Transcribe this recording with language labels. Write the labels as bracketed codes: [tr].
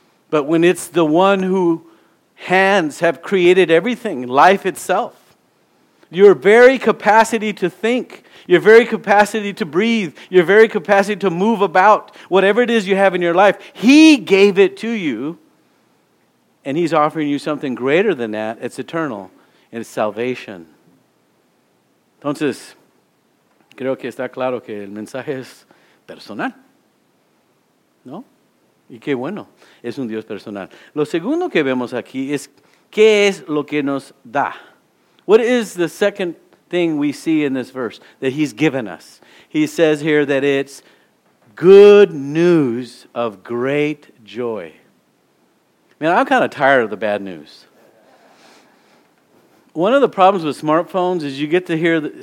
[en] But when it's the one who hands have created everything, life itself, your very capacity to think, your very capacity to breathe, your very capacity to move about, whatever it is you have in your life, He gave it to you, and He's offering you something greater than that. It's eternal, and it's salvation. [es] Entonces, creo que está claro que el mensaje es personal. ¿No? Y qué bueno, es un Dios personal. Lo segundo que vemos aquí es, ¿qué es lo que nos da? [en] What is the second thing we see in this verse that He's given us? He says here that it's good news of great joy. Man, I'm kind of tired of the bad news. One of the problems with smartphones is you get to hear the...